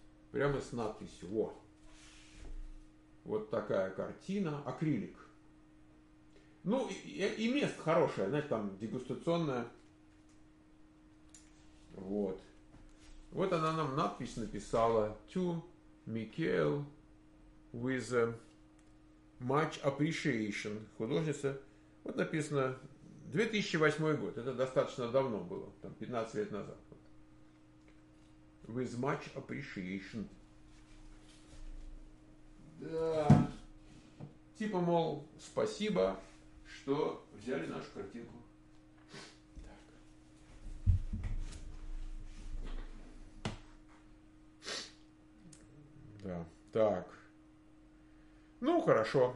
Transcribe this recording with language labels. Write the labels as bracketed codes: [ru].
[ru] Прямо с надписью, вот. Вот такая картина, акрилик. Ну, и место хорошее, знаете, там дегустационное. Вот. Вот она нам надпись написала. [en] To Mikhail with much appreciation. [ru] Художница. Вот написано 2008 год. Это достаточно давно было, там 15 лет назад. [en] With much appreciation. [ru] Да. Типа, мол, спасибо, что взяли нашу картинку. Так. Да. Так. Ну, хорошо.